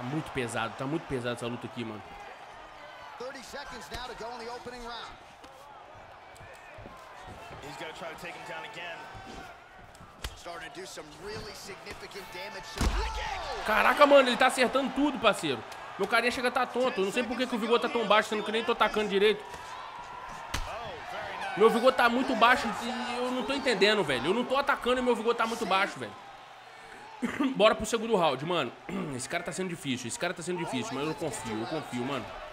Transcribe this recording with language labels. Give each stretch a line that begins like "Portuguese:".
Portuguese: Tá muito pesado essa luta aqui, mano.
English: 30 seconds now to go in the opening round. He's gonna try to take him down again. Starting to do some really significant damage.
Portuguese: Caraca, mano, ele tá acertando tudo, parceiro. Meu carinha chega a tá tonto. Não sei por que o vigor tá tão baixo, sendo que nem tô atacando direito. Meu vigor tá muito baixo e eu não tô entendendo, velho. Eu não tô atacando e meu vigor tá muito baixo, velho. Bora pro segundo round, mano. Esse cara tá sendo difícil, mas eu confio, mano.